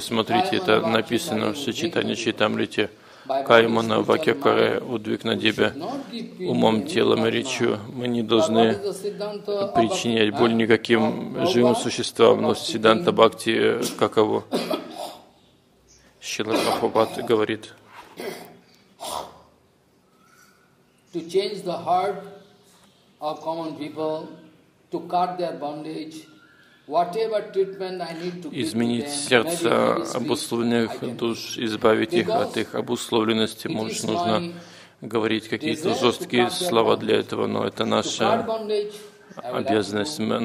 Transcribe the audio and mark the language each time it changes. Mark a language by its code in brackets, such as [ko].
[ru] Смотрите, это написано в Сочетании Чайтамрите. [bn] Каймана вакьякаре удвиг на дебе, [ru] умом, телом и речью. Мы не должны причинять боль никаким живым существам, но Сиддханта Бхакти каково? Шрила Прабхупад говорит. [en] To change the heart of common people, to cut their bondage, whatever treatment I need to give them. [ru] Изменить сердца обусловленных душ, избавить их от их обусловленности, может, нужно говорить какие-то жесткие слова для этого, но это наша обязанность.